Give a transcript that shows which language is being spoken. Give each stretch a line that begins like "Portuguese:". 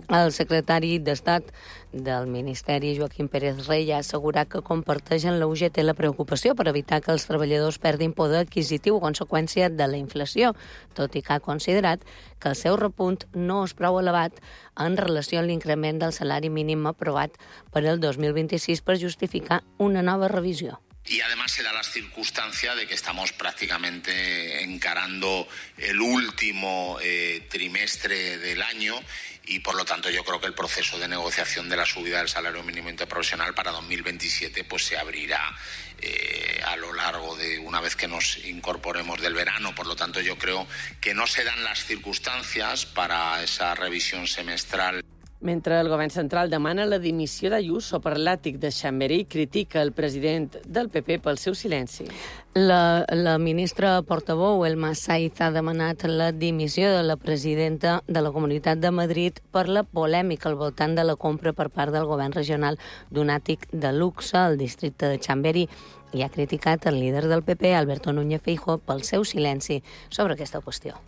Catalan: El secretari d'Estat del Ministeri, Joaquim Pérez Rey, ha assegurat que comparteixen la UGT la preocupació per evitar que els treballadors perdin poder adquisitiu a conseqüència de la inflació, tot i que ha considerat que el seu repunt no és prou elevat en relació a l'increment del salari mínim aprovat per el 2026 per justificar una nova revisió.
Spanish: Y además se da la circunstancia de que estamos prácticamente encarando el último trimestre del año y, por lo tanto, yo creo que el proceso de negociación de la subida del salario mínimo interprofesional para 2027 pues se abrirá a lo largo de una vez que nos incorporemos del verano. Por lo tanto, yo creo que no se dan las circunstancias para esa revisión semestral.
Catalan: Mentre el govern central demana la dimissió d'Ayuso per l'àtic de Chamberí, critica el president del PP pel seu silenci. La ministra portavou, Elma Saiz, ha demanat la dimissió de la presidenta de la Comunitat de Madrid per la polèmica al voltant de la compra per part del govern regional d'un àtic de luxe al districte de Chamberí i ha criticat el líder del PP, Alberto Núñez Feijóo, pel seu silenci sobre aquesta qüestió.